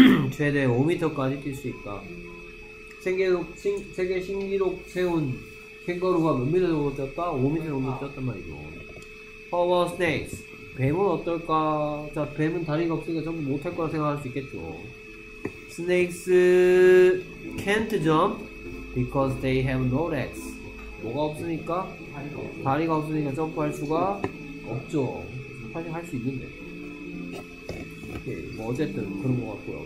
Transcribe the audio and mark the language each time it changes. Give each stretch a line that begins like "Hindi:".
Korean: 최대 5m까지 뛸 수 있다. 세계 신기록 세운 캥거루가 몇 미터 정도 뛰었다? 5미터 정도 뛰었단 말이죠.
English: How about snakes?
Korean: 뱀은 어떨까? 자, 뱀은 다리가 없으니까 전부 못할 거라 생각할 수 있겠죠.
English: Snakes can't jump because they have no legs.
Korean: 뭐가 없으니까? 다리가 없으니까 점프할 수가 없죠. 사실 할 수 있는데. 오케이, 뭐 어쨌든 그런 것 같고요.